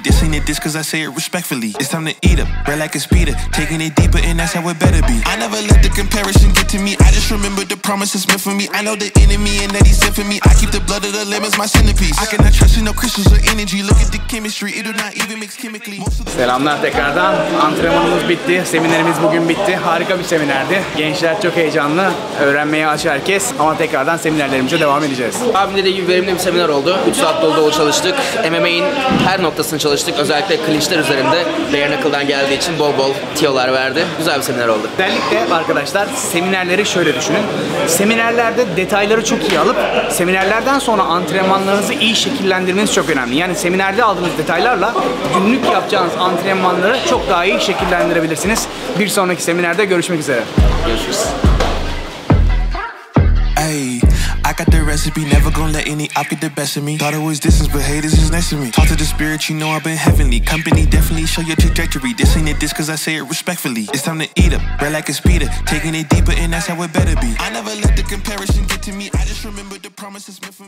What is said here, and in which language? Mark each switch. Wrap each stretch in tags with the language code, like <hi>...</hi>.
<en>This ain't a diss, cause I say it respectfully. It's time to eat up, red like a speeder. Taking it deeper, and that's how it better be. I never let the comparison get to me. I just remember the promises meant for me. I know the enemy and that he sent for me. I keep the blood of the lambs my centerpiece. I cannot trust in no crystals or energy. Look at the chemistry, it do not even mix chemically.</en> <tr>Selamlar tekrardan. Antrenmanımız bitti, seminerimiz bugün bitti. Harika bir seminerdi. Gençler çok heyecanlı. Öğrenmeye aç herkes ama tekrardan seminerlerimize devam edeceğiz. Abim dediği gibi verimli bir seminer oldu. 3 saat dolu çalıştık. MMA'in her noktasını çalıştık. Özellikle klinçler üzerinde bare knuckle'dan geldiği için bol bol tiyolar verdi. Güzel bir seminer oldu. Özellikle arkadaşlar seminerleri şöyle düşünün. Seminerlerde detayları çok iyi alıp seminerlerden sonra antrenmanlarınızı iyi şekillendirmeniz çok önemli. Yani seminerde aldığınız detaylarla günlük yapacağınız antrenmanları çok daha iyi şekillendirebilirsiniz. Bir sonraki seminerde görüşmek üzere. Görüşürüz.</tr> <en>I got the recipe, never gon' let any op get the best of me. Thought it was distance, but haters is next to me. Talk to the spirit, you know I've been heavenly. Company definitely show your trajectory. This ain't a diss, cause I say it respectfully. It's time to eat up, red like a speeder. Taking it deeper, and that's how it better be. I never let the comparison get to me. I just remember the promises meant for me.</en>